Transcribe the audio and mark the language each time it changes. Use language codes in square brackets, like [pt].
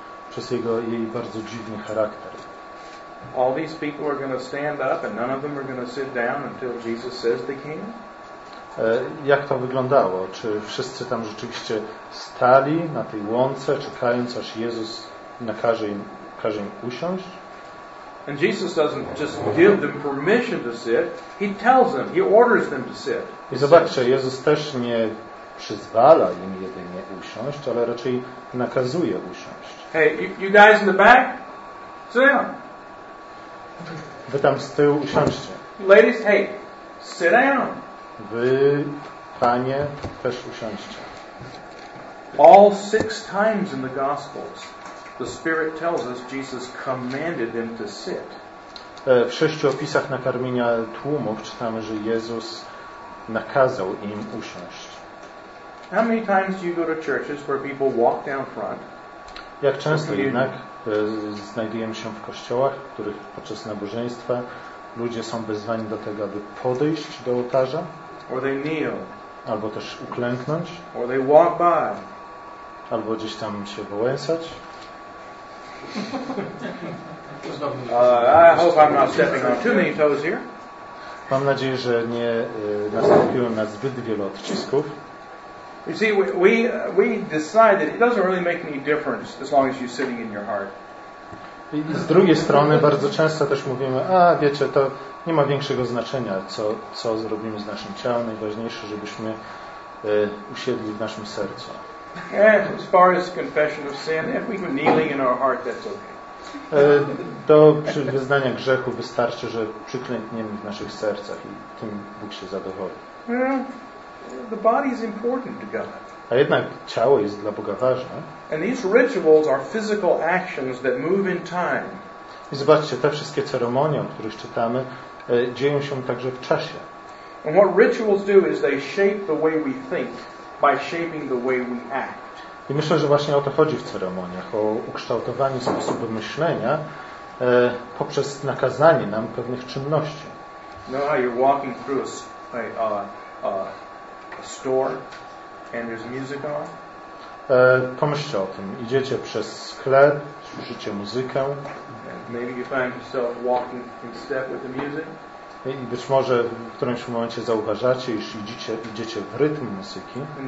[pl] Przez jej bardzo dziwny charakter. [en] All these people are going to stand up and none of them are going to sit down until Jesus says they can. [pl] Jak to wyglądało? Czy wszyscy tam rzeczywiście stali na tej łące, czekając, aż Jezus każe im usiąść? [en] And Jesus doesn't just give them permission to sit. He tells them, he orders them to sit. [pl] I zobaczcie, Jezus też nie przyzwala im jedynie usiąść, ale raczej nakazuje usiąść. [en] Hey, you guys in the back, sit down. [pl] Wy tam z tyłu usiądźcie. [en] Ladies, hey, sit down. [pl] Wy, panie, też usiądźcie. [en] All six times in the Gospels, the Spirit tells us Jesus commanded them to sit. [pl] W sześciu opisach nakarmienia tłumów czytamy, że Jezus nakazał im usiąść. [en] How many times do you go to churches where people walk down front? [pl] Jak często jednak znajdujemy się w kościołach, w których podczas nabożeństwa ludzie są wezwani do tego, aby podejść do ołtarza? [en] Or they kneel. [pl] Albo też uklęknąć. [en] Or they walk by. [pl] Albo gdzieś tam się wołęsać. [en] I hope I'm not stepping on too many toes here. [pl] Mam nadzieję, że nie nastąpiłem na zbyt wiele odcisków. [en] You see, we decided it doesn't really make any difference as long as you're sitting in your heart. [pl] I z drugiej strony bardzo często też mówimy, a wiecie, to nie ma większego znaczenia, co zrobimy z naszym ciałem. Najważniejsze, żebyśmy usiedli w naszym sercu. [en] As far as confession of sin, if we were kneeling in our heart, that's okay. [pl] Do wyznania grzechu wystarczy, że przyklękniemy w naszych sercach i tym Bóg się zadowoli. [en] The body is important to God. [pl] A jednak ciało jest dla Boga ważne. [en] And these rituals are physical actions that move in time. [pl] I zobaczcie, te wszystkie ceremonie, o których czytamy, dzieją się także w czasie. [en] And what rituals do is they shape the way we think by shaping the way we act. [pl] I myślę, że właśnie o to chodzi w ceremoniach, o ukształtowanie sposobu myślenia poprzez nakazanie nam pewnych czynności. [en] No, you're walking through a store and there's music on. [pl] Pomyślcie o tym. Idziecie przez sklep, słyszycie muzykę. [en] Maybe you find yourself walking in step with the music. [pl] I być może w którymś momencie zauważacie, iż idziecie w rytm muzyki.